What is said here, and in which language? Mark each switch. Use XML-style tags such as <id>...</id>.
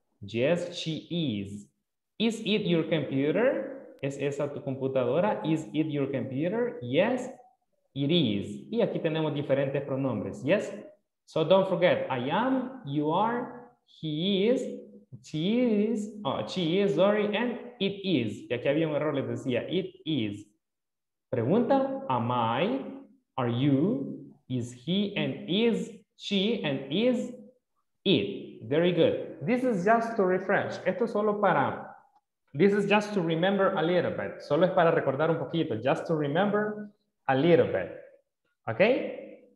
<en>Yes, she is. Is it your computer?</en> <es>¿Es esa tu computadora?</es> <en>Is it your computer? Yes, it is.</en> <es>Y aquí tenemos diferentes pronombres. Yes?</es> <en>So don't forget, I am, you are, he is, she is, and it is.</en> <es>Y aquí había un error, les decía,</es> <en>it is. Pregunta, am I, are you, is he, and is she, and is it. Very good. This is just to refresh.</en> <es>Esto es solo para,</es> <en>this is just to remember a little bit.</en> <es>Solo es para recordar un poquito,</es> <en>just to remember a little bit. Okay?</en>